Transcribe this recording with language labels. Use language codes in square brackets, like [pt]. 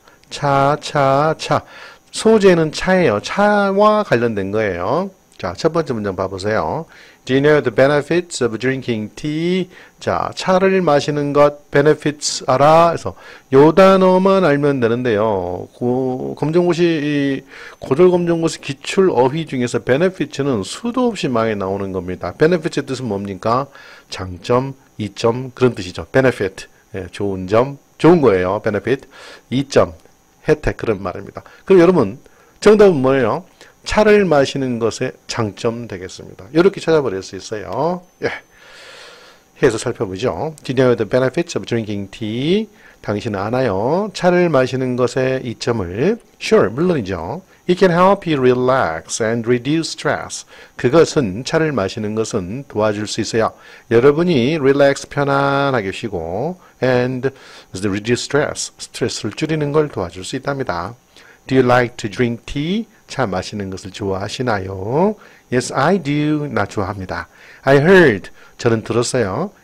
[ko] 차. 소재는 차예요. 차와 관련된 거예요. 자, 첫 번째 문장 봐보세요. [en] Do you know the benefits of drinking tea? [ko] 자, 차를 마시는 것, benefits 알아? 해서 요 단어만 알면 되는데요. 검정고시, 고졸검정고시 기출 어휘 중에서 benefits는 수도 없이 많이 나오는 겁니다. benefits의 뜻은 뭡니까? 장점, 이점, 그런 뜻이죠. benefit, 예, 좋은 점, 좋은 거예요. benefit, 이점, 혜택, 그런 말입니다. 그럼 여러분, 정답은 뭐예요? 차를 마시는 것의 장점 되겠습니다. 이렇게 찾아버릴 수 있어요. 예. 해서 살펴보죠. [en] Do you know the benefits of drinking tea? [ko] 당신은 아나요? 차를 마시는 것의 이점을? Sure, 물론이죠. [en] It can help you relax and reduce stress. [ko] 그것은, 차를 마시는 것은 도와줄 수 있어요. 여러분이 relax, 편안하게 쉬고, [en] and reduce stress [ko] 를 줄이는 걸 도와줄 수 있답니다. [en] Do you like to drink tea? [ko] 차 마시는 것을 좋아하시나요? [en] Yes, I do. [ko] 나 좋아합니다. [en] I heard. [ko] 저는 들었어요.